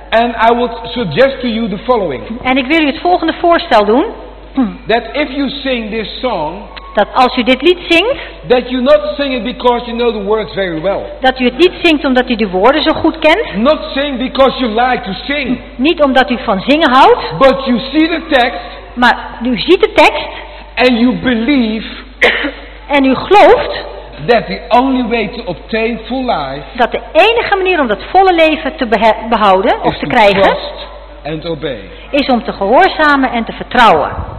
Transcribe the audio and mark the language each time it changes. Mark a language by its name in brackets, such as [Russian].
[English] And I would suggest to you the following. [Dutch] En ik wil u het volgende voorstel doen. [English] That if you sing this song, [Dutch] dat als u dit lied zingt, [English] that you not sing it because you know the words very well. [Dutch] Dat u het niet zingt omdat u de woorden zo goed kent. [English] Not sing because you like to sing. [Dutch] Niet omdat u van zingen houdt. [English] But you see the text. [Dutch] Maar u ziet de tekst. [English] And you believe. [Dutch] En u gelooft. [English] That the only way to obtain full life. [Dutch] Dat de enige manier om dat volle leven te behouden of te krijgen. [English] Trust and obey. [Dutch] Is om te gehoorzamen en te vertrouwen.